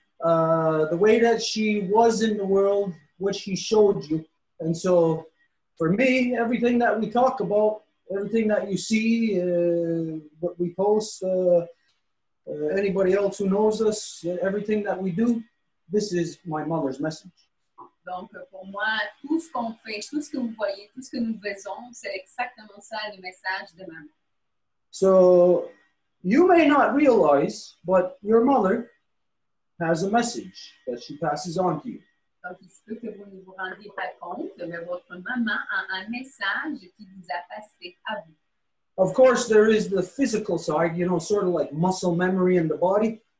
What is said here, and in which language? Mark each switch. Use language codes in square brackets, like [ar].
[en] The way that she was in the world, what she showed you. And so, for me, everything that we talk about everything that you see, what we post, anybody else who knows us, everything that we do, this is my mother's message. [fr] Donc, pour moi, tout ce qu'on fait, tout ce que vous voyez, tout ce que nous faisons, c'est exactement ça, le message de ma mère. [en] So, you may not realize, but your mother has a message that she passes on to you. [fr] Donc, il se peut que vous ne vous rendiez pas compte, mais votre maman a un message qui vous a passé à vous. [en] Of course, there is the physical side, you know, sort of like muscle memory in the body.